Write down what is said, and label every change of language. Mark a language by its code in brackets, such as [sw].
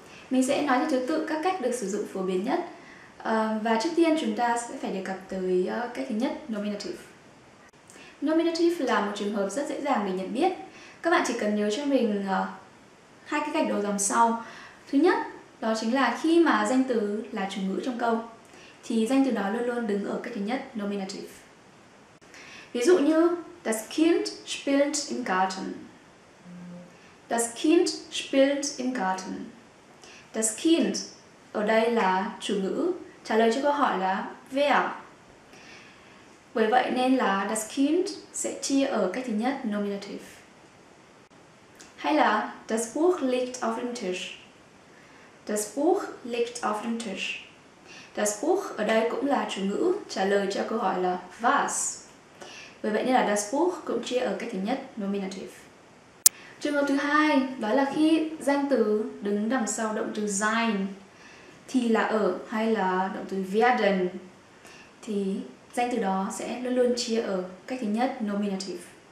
[vi] Mình sẽ nói theo thứ tự các cách được sử dụng phổ biến nhất. Và trước tiên chúng ta sẽ phải đề cập tới cách thứ nhất, nominative. Nominative là một trường hợp rất dễ dàng để nhận biết. Các bạn chỉ cần nhớ cho mình hai cái cách đầu dòng sau. Thứ nhất, đó chính là khi mà danh từ là chủ ngữ trong câu thì danh từ đó luôn luôn đứng ở cách thứ nhất, nominative. Ví dụ như [de] das Kind spielt im Garten. Das Kind spielt im Garten. [vi] Das Kind ở đây là chủ ngữ trả lời cho câu hỏi là wer. Bởi vậy nên là das Kind sẽ chia ở cách thứ nhất, nominative. Hay là [de] das Buch liegt auf dem Tisch. Das Buch liegt auf dem Tisch. [vi] Das Buch ở đây cũng là chủ ngữ trả lời cho câu hỏi là was. Bởi vậy nên là das Buch cũng chia ở cách thứ nhất, nominative. Trường hợp thứ hai, đó là khi danh từ đứng đằng sau động từ sein thì là ở hay là động từ werden, thì danh từ đó sẽ luôn luôn chia ở cách thứ nhất, nominative.